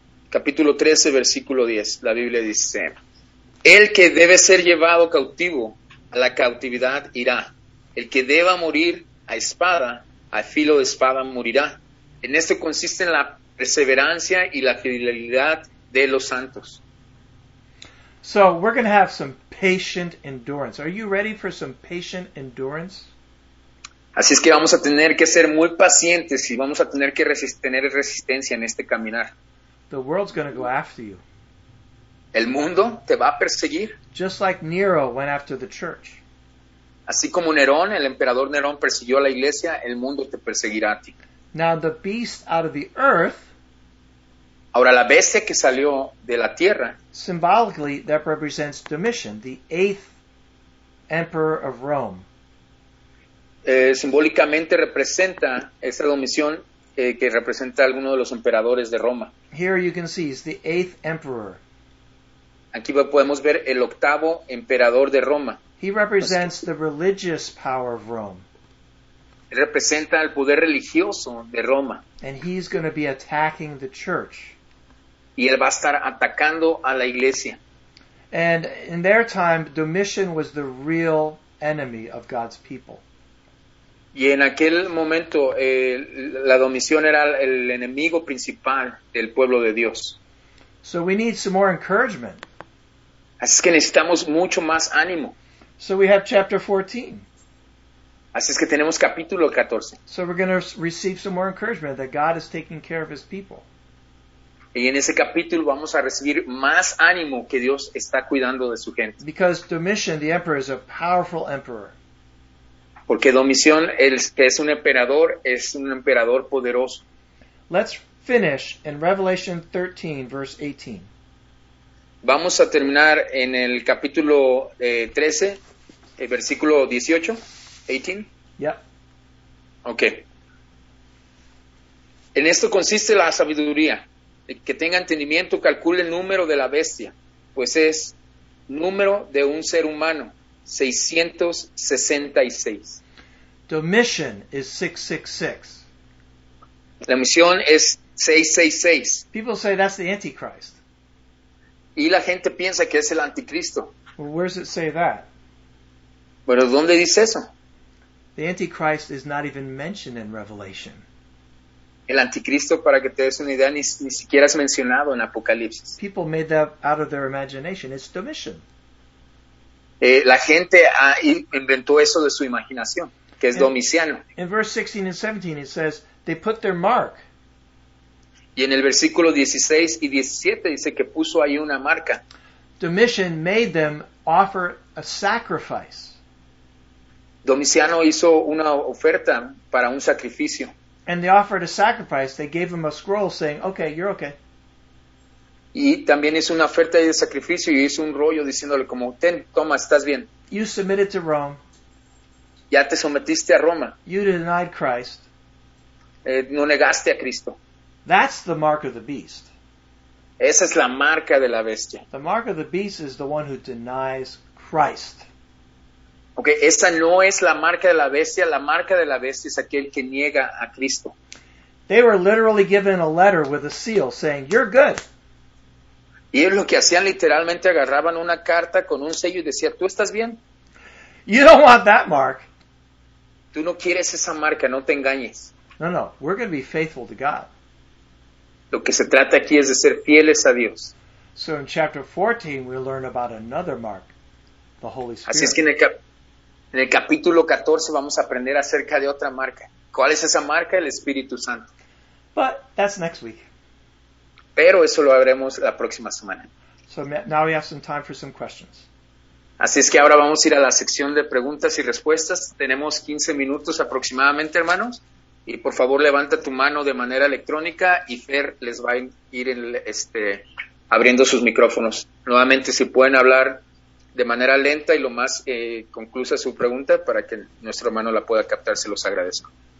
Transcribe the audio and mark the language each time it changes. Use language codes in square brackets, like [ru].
[es] Capítulo 13, versículo 10. La Biblia dice: El que debe ser llevado cautivo a la cautividad irá. El que deba morir a espada, a filo de espada morirá. En esto consiste en la perseverancia y la fidelidad de los santos. [en] So, we're going to have some patient endurance. Are you ready for some patient endurance? [es] Así es que vamos a tener que ser muy pacientes y vamos a tener que tener resistencia en este caminar. [en] The world's going to go after you. [es] El mundo te va a perseguir. [en] Just like Nero went after the church. [es] Así como Nerón, el emperador Nerón, persiguió a la iglesia, el mundo te perseguirá a ti. [en] Now, the beast out of the earth. [es] Ahora, la bestia que salió de la tierra. [en] Symbolically, that represents Domitian, the 8th emperor of Rome. [es] Simbólicamente representa esa Domitian que representa alguno de los emperadores de Roma. [en] Here you can see, it's the 8th emperor. [es] Aquí podemos ver el 8th emperador de Roma. [en] He represents the religious power of Rome. [es] Representa el poder religioso de Roma. [en] And he's going to be attacking the church. [es] Y él va a estar atacando a la iglesia. [en] And in their time, Domitian was the real enemy of God's people. [es] Y en aquel momento, la Domitian era el enemigo principal del pueblo de Dios. [en] So we need some more encouragement. [es] Así es que necesitamos mucho más ánimo. [en] So we have chapter 14. [es] Así es que tenemos capítulo 14. [en] So we're going to receive some more encouragement that God is taking care of his people. [es] Y en ese capítulo vamos a recibir más ánimo que Dios está cuidando de su gente. [en] Because Domitian, the emperor, is a powerful emperor. [es] Porque Domitian, que es un emperador, es un emperador poderoso. [en] Let's finish in Revelation 13, verse 18. [es] Vamos a terminar en el capítulo 13, el versículo 18. 18. [en] Yep. Okay. [es] En esto consiste la sabiduría. Que tenga entendimiento, calcule el número de la bestia, pues es número de un ser humano, 666. [en] Domitian is 666. [es] La misión es 666. [en] People say that's the Antichrist. [es] Y la gente piensa que es el anticristo. [en] Well, where does it say that? [es] Bueno, ¿dónde dice eso? [en] The Antichrist is not even mentioned in Revelation. [es] El anticristo, para que te des una idea, ni siquiera es mencionado en Apocalipsis. [en] People made that out of their imagination. It's Domitian. [es] La gente inventó eso de su imaginación, que es Domiciano. [en] In verse 16 and 17, it says, they put their mark. [es] Y en el versículo 16 y 17 dice que puso ahí una marca. [en] Domitian made them offer a sacrifice. [es] Domiciano hizo una oferta para un sacrificio. [en] And they offered a sacrifice. They gave him a scroll saying, okay, you're okay. [es] Y también hizo una oferta de sacrificio y hizo un rollo diciéndole como, ten, toma, estás bien. [en] You submitted to Rome. [es] Ya te sometiste a Roma. [en] You denied Christ. [es] No negaste a Cristo. [en] That's the mark of the beast. [es] Esa es la marca de la bestia. [en] The mark of the beast is the one who denies Christ. [es] Okay, esa no es la marca de la bestia. La marca de la bestia es aquel que niega a Cristo. [en] They were literally given a letter with a seal saying, you're good. [es] Y es lo que hacían, literalmente agarraban una carta con un sello y decían, tú estás bien. [en] You don't want that mark. [es] Tú no quieres esa marca, no te engañes. [en] No, no, we're going to be faithful to God. [es] Lo que se trata aquí es de ser fieles a Dios. [en] So in chapter 14, we learn about another mark, the Holy Spirit. [es] Así es que en el capítulo 14 vamos a aprender acerca de otra marca. ¿Cuál es esa marca? El Espíritu Santo. [en] But that's next week. [es] Pero eso lo haremos la próxima semana. [en] So now we have some time for some questions. [es] Así es que ahora vamos a ir a la sección de preguntas y respuestas. Tenemos 15 minutos aproximadamente, hermanos. Y por favor, levanta tu mano de manera electrónica y Fer les va a ir abriendo sus micrófonos. Nuevamente, si pueden hablar de manera lenta y lo más conclusa su pregunta para que nuestro hermano la pueda captar, se los agradezco.